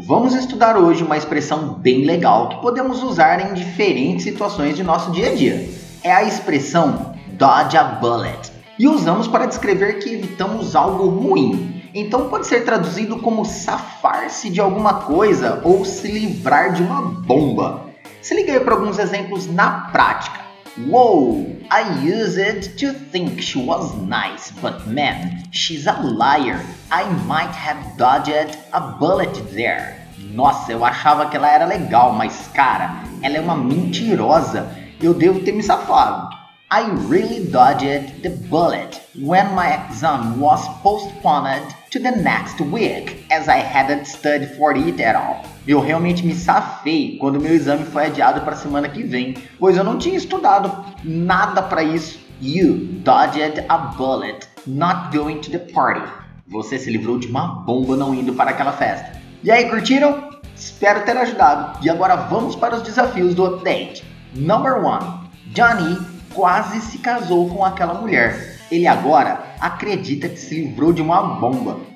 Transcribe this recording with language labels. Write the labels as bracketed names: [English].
[Portuguese] Vamos estudar hoje uma expressão bem legal que podemos usar em diferentes situações de nosso dia a dia. É a expressão Dodge a Bullet. E usamos para descrever que evitamos algo ruim. Então pode ser traduzido como safar-se de alguma coisa ou se livrar de uma bomba. Se liga aí para alguns exemplos na prática. [English] Wow, I used to think she was nice, but man, she's a liar. I might have dodged a bullet there. [Portuguese] Nossa, eu achava que ela era legal, mas cara, ela é uma mentirosa. Eu devo ter me safado. [English] I really dodged the bullet when my exam was postponed to the next week, as I hadn't studied for it at all. [Portuguese] Eu realmente me safei quando meu exame foi adiado para a semana que vem, pois eu não tinha estudado nada para isso. [English] You dodged a bullet not going to the party. [Portuguese] Você se livrou de uma bomba não indo para aquela festa. E aí, curtiram? Espero ter ajudado. E agora vamos para os desafios do update. [English] Number 1. [Portuguese] Johnny quase se casou com aquela mulher. Ele agora acredita que se livrou de uma bomba.